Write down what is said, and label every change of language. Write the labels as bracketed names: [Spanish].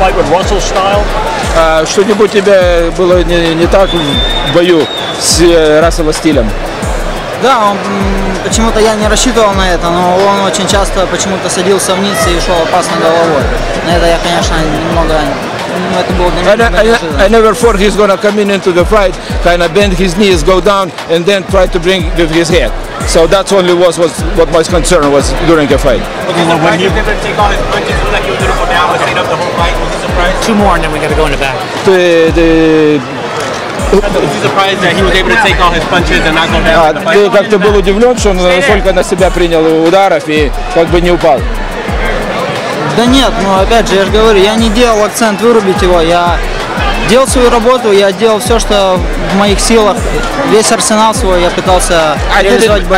[Russian] Что-нибудь тебе было не так в бою с Расселом Стилем? Да, он, почему-то я не рассчитывал на это, но он очень часто почему-то садился вниз и шел опасно головой. На это я, конечно, немного... [English] I never thought he's gonna come into the fight, kind of bend his knees, go down, and then try to bring with his head. So that's only was what my concern was during the fight. Okay, well, when you take on his punches, it looked like he was gonna go down, but he ended up the whole fight. Was he surprised? Two more, and then we gotta go in the back. [Russian] Ты как-то был удивлен, что он столько на себя принял ударов и как бы не упал? Да нет, ну опять же, я же говорю, я не делал акцент вырубить его, я делал свою работу, я делал все, что в моих силах, весь арсенал свой я пытался реализовать бой.